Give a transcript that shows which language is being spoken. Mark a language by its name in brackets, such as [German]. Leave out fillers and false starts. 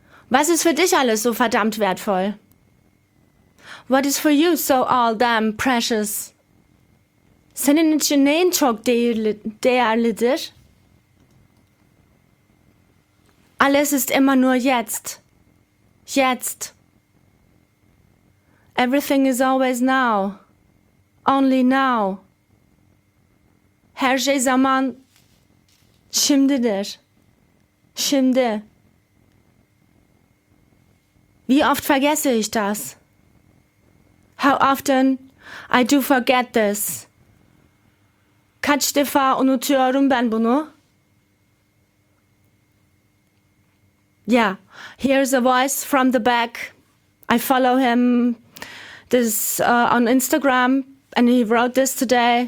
[German] Was ist für dich alles so verdammt wertvoll? [English] What is for you so all damn precious? [Turkish] Senin için neyin çok değerlidir? [German] Alles ist immer nur jetzt. Jetzt. [English] Everything is always now. Only now. [Turkish] Her şey zaman şimdidir. Şimdi. [German] Wie oft vergesse ich das? [English] How often I do forget this? [Turkish] Kaç defa unutuyorum ben bunu? [English] Yeah, here's a voice from the back. I follow him on Instagram, and he wrote this today.